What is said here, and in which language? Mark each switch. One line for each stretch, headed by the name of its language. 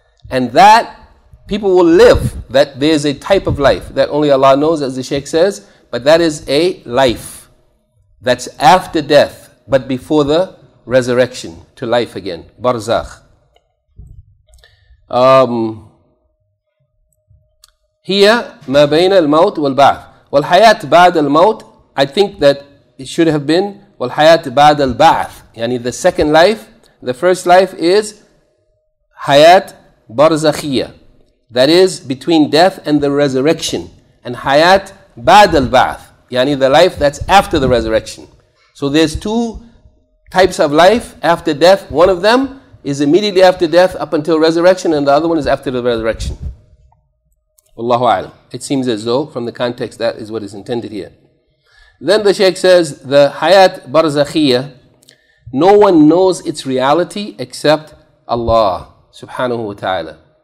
English: And that, people will live, that there's a type of life that only Allah knows, as the Shaykh says, but that is a life that's after death, but before the resurrection to life again, barzakh.
Arabic: Here, ما بين الموت والبعث. والحياة بعد الموت,
English: I think that it should have been
Arabic: والحياة بعد البعث.
English: يعني the second life, the first life is
Arabic: حياة برزخية.
English: That is between death and the resurrection.
Arabic: And حياة بعد البعث.
English: يعني the life that's after the resurrection. So there's two types of life after death. One of them is immediately after death up until resurrection, and the other one is after the resurrection. Allahu A'lam. It seems as though, from the context, that is what is intended here. Then the Shaykh says, the hayat barzakhiyya, no one knows its reality except Allah subhanahu wa ta'ala.